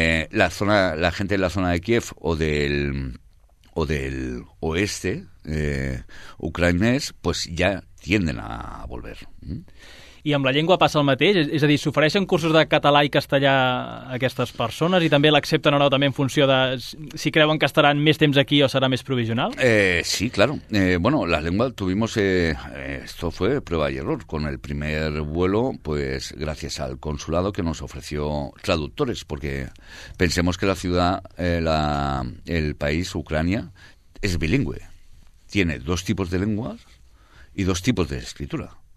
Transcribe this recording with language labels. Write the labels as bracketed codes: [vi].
[es] La gente de la zona de Kiev o del oeste ucranés, pues ya tienden a volver. [ca] I amb la llengua passa el mateix? És a dir, s'ofereixen cursos de català i castellà a aquestes persones i també l'accepten o no també en funció de si creuen que estaran més temps aquí o serà més provisional? [es] Sí, claro. Bueno, la lengua tuvimos... esto fue prueba y error. Con el primer vuelo, pues gracias al consulado que nos ofreció traductores, porque pensemos que la ciudad, el país, Ucrania, es bilingüe. Tiene dos tipos de lenguas y dos tipos de escritura.